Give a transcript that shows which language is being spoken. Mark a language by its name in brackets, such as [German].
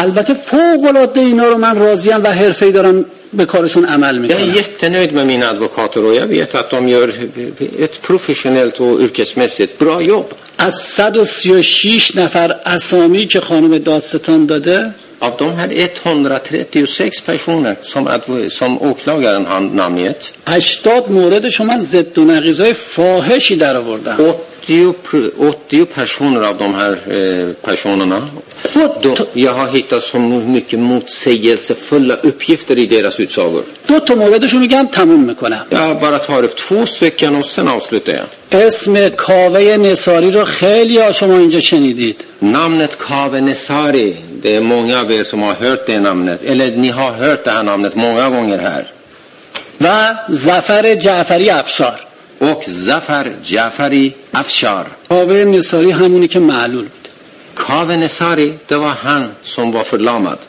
[Persian] البته فوق‌العاده اینا رو من راضیم و حرفه‌ای دارم به کارشون عمل میکنم. [Swedish] Jag är jättenöjd med mina advokater och jag vet att de gör ett professionellt och yrkesmässigt bra jobb. [Persian] از 136 نفر اسامی که خانم دادستان داده. [Swedish] Av de här 136 personer som åklagaren har namngett. [Persian] 80 موردش من ضد و نقیضای فاحشی در آوردن. [Swedish] 80 personer av de här personerna. Jag har hittat så mycket motsägelsefulla uppgifter i deras utsagor. [Persian] دو تا موردش رو میگم تموم میکنم. [Swedish] Jag bara tar upp två stycken och sen avslutar jag. [Persian] اسم کاوه نساری رو خیلی ها شما اینجا شنیدید. [Swedish] Namnet Kaveh Nisari. Det är många av er som har hört det namnet. Eller ni har hört det här namnet många gånger här. Va? Zafar Jafari Afshar. Och Zafar Jafari Afshar. [Persian] Kaveh Nisari, hamuni ke ma'lul bude. [Swedish] Kaveh Nisari, det var han som var förlamad.